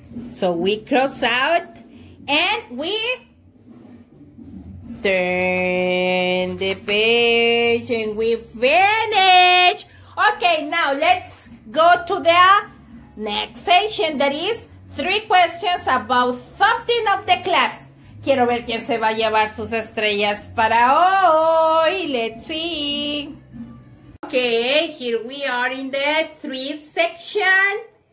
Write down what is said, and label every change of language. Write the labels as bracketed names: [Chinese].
[English] So we cross out and we turn the page and we finish. Okay, now let's go to the next session. That is three questions about something of the class. [Spanish] Quiero ver quién se va a llevar sus estrellas para hoy. [English] Let's see. Okay, here we are in the three section.